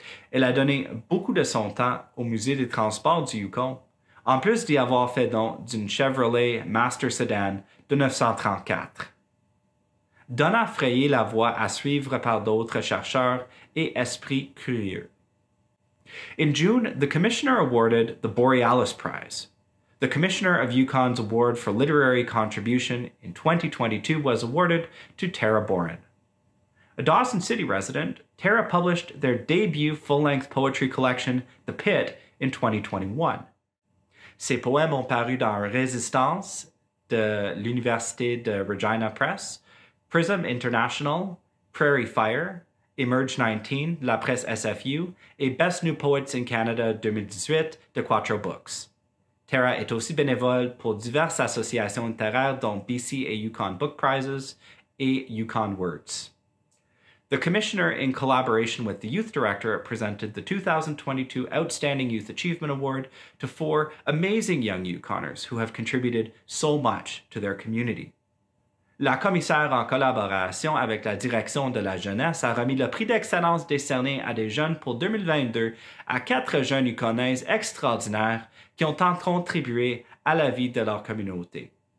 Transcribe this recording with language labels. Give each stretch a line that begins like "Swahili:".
French: Elle a donné beaucoup de son temps au Musée des Transports du Yukon, en plus d'y avoir fait don d'une Chevrolet Master Sedan de 934. Donna frayait la voie à suivre par d'autres chercheurs et esprits curieux.
English: In June, the commissioner awarded the Borealis Prize. The commissioner of Yukon's Award for Literary Contribution in 2022 was awarded to Tara Boren. A Dawson City resident, Tara published their debut full-length poetry collection, The Pit, in 2021.
French: Ses poèmes ont paru dans Résistance de l'Université de Regina Press, Prism International, Prairie Fire, Emerge 19, La Presse SFU, et Best New Poets in Canada 2018 de Quattro Books. Tara est aussi bénévole pour diverses associations littéraires dont BC et Yukon Book Prizes et Yukon Words.
English: The commissioner, in collaboration with the youth director, presented the 2022 Outstanding Youth Achievement Award to four amazing young Yukoners who have contributed so much to their community.
French: La commissaire, en collaboration avec la direction de la jeunesse, a remis le prix d'excellence décerné à des jeunes pour 2022 à quatre jeunes Yukonaises extraordinaires qui ont tant contribué à la vie de leur communauté.